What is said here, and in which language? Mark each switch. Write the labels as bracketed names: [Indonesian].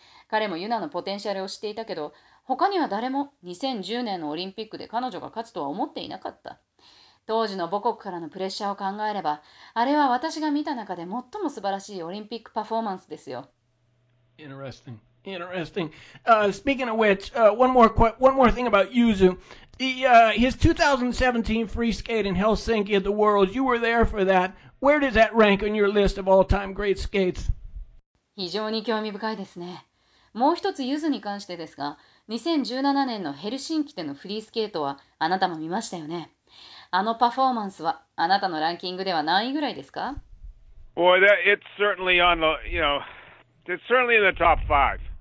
[Japanese] 彼もユナのポテンシャルを知っていたけど、他には誰も2010年のオリンピックで彼女が勝つとは思っていなかった。当時の母国からのプレッシャーを考えれば、あれは私が見た中で最も素晴らしいオリンピックパフォーマンスですよ。 [English] Interesting. Interesting. Speaking of which, one more thing about Yuzu. His 2017 free skate in Helsinki at the Worlds, you were there for that. Where does that rank on your list of all-time great skates? [Japanese] 非常に興味深いですね。もう一つユズに関してですが、2017年のヘルシンキでのフリースケートはあなたも見ましたよね。あのパフォーマンスはあなたのランキングでは何位ぐらいですか？ [English] Boy, it's certainly on the, you know, it's certainly in the top five.